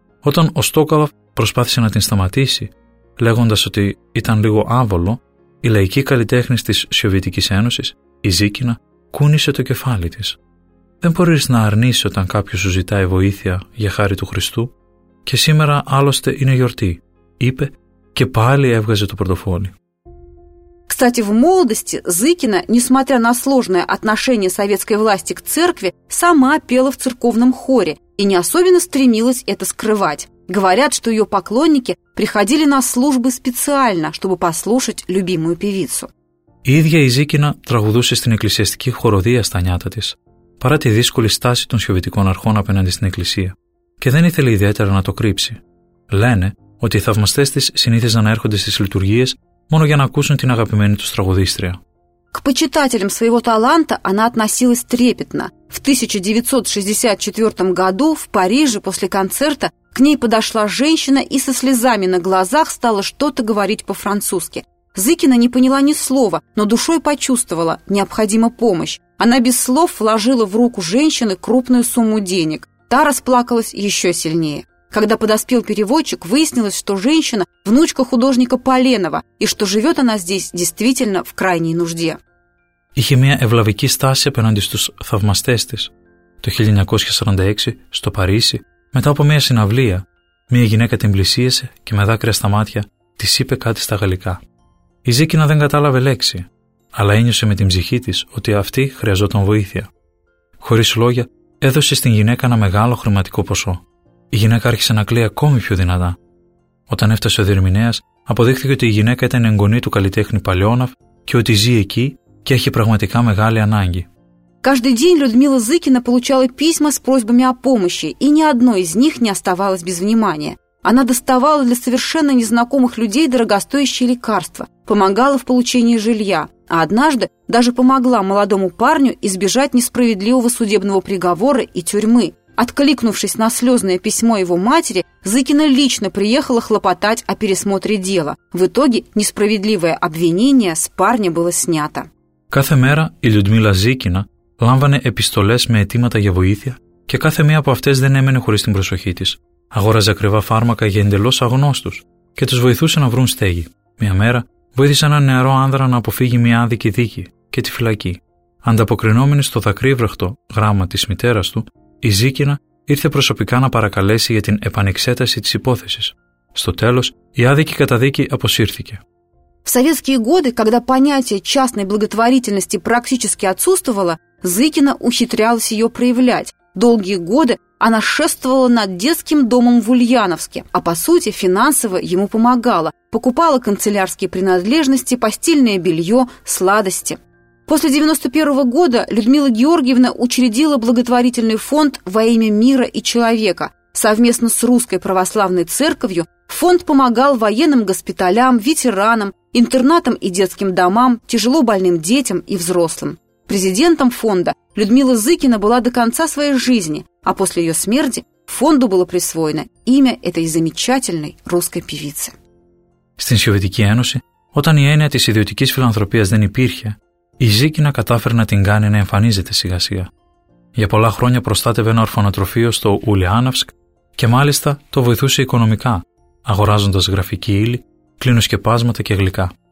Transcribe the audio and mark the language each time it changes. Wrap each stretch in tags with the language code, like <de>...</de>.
<el>Όταν ο Στόκαλοφ προσπάθησε να την σταματήσει, λέγοντας ότι ήταν λίγο άβολο, η λαϊκή καλλιτέχνη της Σοβιετικής Ένωσης, η Ζίκινα, κούνησε το κεφάλι της. Δεν μπορείς να αρνείσαι όταν κάποιος σου ζητάει βοήθεια για χάρη του Χριστού, και σήμερα άλλωστε είναι γιορτή, είπε και πάλι έβγαζε το πορτοφόλι.</el> <ru>Кстати, в молодости Зыкина, несмотря на сложное отношение советской власти к церкви, сама пела в церковном хоре и не особенно стремилась это скрывать. Говорят, что ее поклонники приходили на службы специально, чтобы послушать любимую певицу.</ru> <el>Ίδια η Ζήκινα τραγουδούσε στην εκκλησιαστική χοροδία στα νιάτα της, παρά τη δύσκολη στάση των σοβιετικών αρχών απέναντι στην εκκλησία, και δεν ήθελε ιδιαίτερα να το κρύψει. Λένε ότι οι θαυμαστές της συνήθιζαν να έρχονται στις λειτουργίες μόνο για να ακούσουν την αγαπημένη τους τραγουδίστρια.</el> <ru>К почитателям своего таланта она относилась трепетно. В 1964 году в Париже после концерта к ней подошла женщина и со слезами на глазах стала что-то говорить по-французски. Зыкина не поняла ни слова, но душой почувствовала – необходима помощь. Она без слов вложила в руку женщины крупную сумму денег. Та расплакалась еще сильнее. Когда подоспел переводчик, выяснилось, что женщина – внучка художника Поленова, и что живет она здесь действительно в крайней нужде.</ru> <el>Είχε μια ευλαβική στάση απέναντι στους θαυμαστές της. Το 1946, στο Παρίσι, μετά από μια συναυλία, μια γυναίκα την πλησίασε και με δάκρυα στα μάτια της είπε κάτι στα γαλλικά. Η Ζήκινα δεν κατάλαβε λέξη, αλλά ένιωσε με την ψυχή της ότι αυτή χρειαζόταν βοήθεια. Χωρίς λόγια, έδωσε στην γυναίκα ένα μεγάλο χρηματικό ποσό. Η γυναίκα άρχισε να κλαίει ακόμη πιο δυνατά. Όταν έφτασε ο διερμηνέας, αποδείχθηκε ότι η γυναίκα ήταν εγγονή του καλλιτέχνη Παλιώναφ και ότι ζει εκεί και έχει πραγματικά μεγάλη ανάγκη.</el> <ru>Каждый день Людмила Зыкина получала письма с просьбами о помощи, и ни одно из них не оставалось без внимания. Она доставала для совершенно незнакомых людей дорогостоящие лекарства, помогала в получении жилья, а однажды даже помогла молодому парню избежать несправедливого судебного приговора и тюрьмы. Откликнувшись на слезное письмо его матери, Зыкина лично приехала хлопотать о пересмотре дела. В итоге несправедливое обвинение с парня было снято.</ru> <el>Κάθε μέρα η Λιουντμίλα Ζήκινα λάμβανε επιστολές με αιτήματα για βοήθεια και κάθε μία από αυτές δεν έμενε χωρίς την προσοχή της. Αγόραζε ακριβά φάρμακα για εντελώς αγνώστους και τους βοηθούσε να βρουν στέγη. Μια μέρα βοήθησε ένα νεαρό άνδρα να αποφύγει μια άδικη δίκη και τη φυλακή. Ανταποκρινόμενη στο δακρύβραχτο γράμμα της μητέρας του, η Ζήκινα ήρθε προσωπικά να παρακαλέσει για την επανεξέταση της υπόθεσης. Στο τέλος, η άδικη καταδίκη αποσύρθηκε.</el> <ru>В советские годы, когда понятие частной благотворительности практически отсутствовало, Зыкина ухитрялась ее проявлять. Долгие годы она шествовала над детским домом в Ульяновске, а по сути финансово ему помогала. Покупала канцелярские принадлежности, постельное белье, сладости. После 91 года Людмила Георгиевна учредила благотворительный фонд «Во имя мира и человека». Совместно с Русской Православной Церковью фонд помогал военным госпиталям, ветеранам, интернатам и детским домам, тяжело больным детям и взрослым. Президентом фонда Людмила Зыкина была до конца своей жизни, а после ее смерти фонду было присвоено имя этой замечательной русской певицы.</ru> <el>Στην Σοβιετική Ένωση, όταν η έννοια της ιδιωτικής φιλανθρωπίας δεν υπήρχε, η Ζήκινα κατάφερε να την κάνει να εμφανίζεται σιγά-σιγά. Για πολλά χρόνια προστάτευε ένα ορφανοτροφείο στο Ουλιάνοφσκ και μάλιστα το βοηθούσε οικονομικά, αγοράζοντας γραφική ύλη, κλινοσκεπάσματα και γλυκά.</el>